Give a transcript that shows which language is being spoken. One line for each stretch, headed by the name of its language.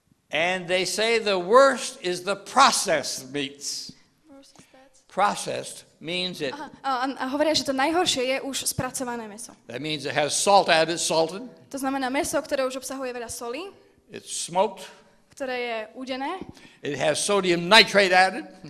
English: And they say the worst is the processed meats. Processed means it.
Slovak: A hovoria, že to najhoršie je už spracované meso.
English: That means it has salt added, salted.
Slovak: To znamená meso, ktoré už obsahuje veľa soli.
English: It's smoked.
Slovak: Ktoré je udené.
English: It has sodium nitrate added.